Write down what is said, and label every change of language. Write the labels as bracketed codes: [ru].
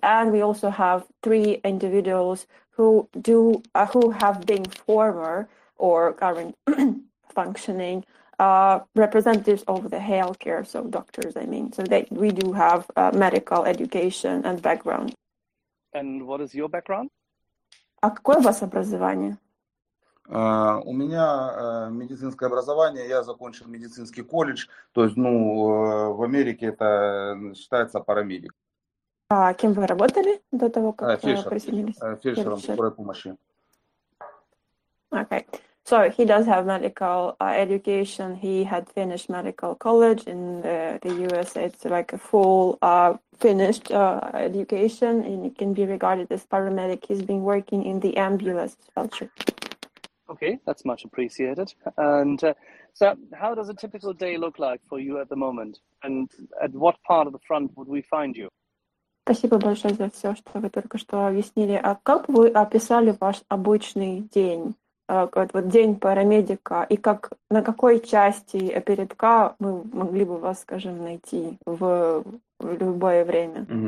[en] And we also have 3 individuals who have been former or current functioning representatives of the healthcare, so doctors, I mean. So that we do have medical education and background. And what is your background? [ru] А какое у вас образование? У меня медицинское образование, я закончил медицинский колледж, то есть, ну, в Америке это считается парамедик. А кем вы работали до того, как присоединились? Фельдшером скорой помощи. [en] Okay, so he does have medical education, he had finished medical college in the US, it's like a full finished education, and it can be regarded as paramedic, he's been working in the ambulance culture. Okay, that's much appreciated. And so how does a typical day look like for you at the moment? And at what part of the front would we find you? [ru] Спасибо большое за все, что вы только что объяснили. А как вы описали ваш обычный день? Вот день парамедика. И как на какой части передка мы могли бы вас, скажем, найти в любое время?